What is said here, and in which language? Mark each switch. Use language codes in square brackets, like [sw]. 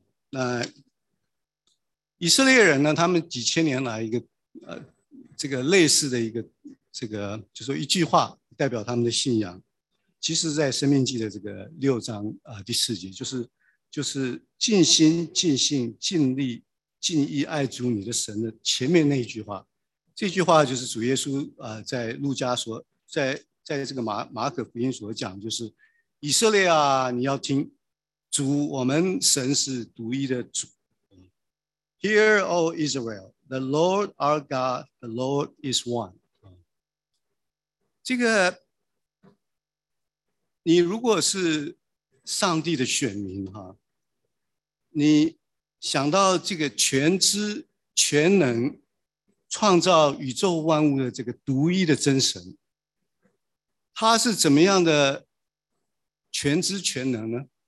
[zh] 那以色列人呢，他们几千年来一个这个类似的一个这个，就说一句话代表他们的信仰，其实在生命记的这个6章第4节，就是尽心尽性尽力尽意爱主你的神的前面那一句话。这句话就是主耶稣在路加所在这个马可福音所讲，就是以色列啊，你要听主我们神是独一的主。 [en] Hear, O Israel, the Lord our God, the Lord is one. [zh] 这个，你如果是上帝的选民，你想到这个全知、全能、创造宇宙万物的这个独一的真神，他是怎么样的全知、全能呢？